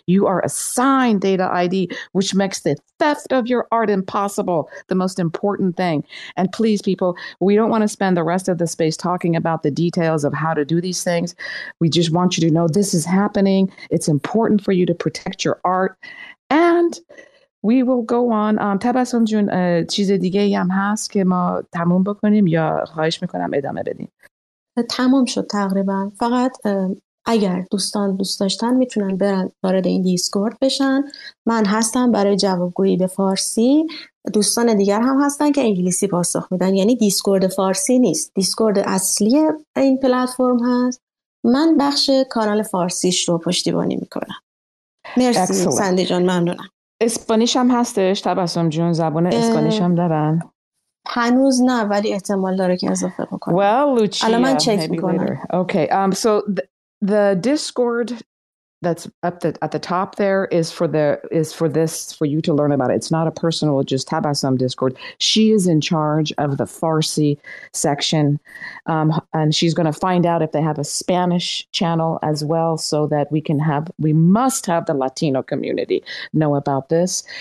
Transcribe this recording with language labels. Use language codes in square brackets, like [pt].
[en] You are assigned data ID, which makes the theft of your art impossible, the most important thing. And please, people, we don't want to spend the rest of the space talking about the details of how to do these things. We just want you to know this is happening. It's important for you to protect your art. And we will go on. [fa] تبسم جون چیز دیگه ای هم هست که ما تموم بکنیم یا خواهش میکنم ادامه بدیم؟ تمام شد تقریبا. فقط اگر دوستان دوست داشتن میتونن برن وارد این دیسکورد بشن. من هستم برای جوابگویی به فارسی. دوستان دیگر هم هستن که انگلیسی پاسخ میدن. یعنی دیسکورد فارسی نیست. دیسکورد اصلی این پلتفرم هست. من بخش کانال فارسیش رو پشتیبانی میکنم. مرسی سندی جان، ممنونم. اسپانیش هم هستش تبسم جون؟ زبان اسپانیش هم دارن؟ هنوز نه، ولی احتمال داره که اضافه بکنم. [en] Well, Lucia, [fa] الان من چک میکنم. [en] Okay, so the Discord that's up at the top there is for you to learn about it. It's not a personal, just Tabassum Discord. She is in charge of the Farsi section. And she's going to find out if they have a Spanish channel as well so that we must have the Latino community know about this.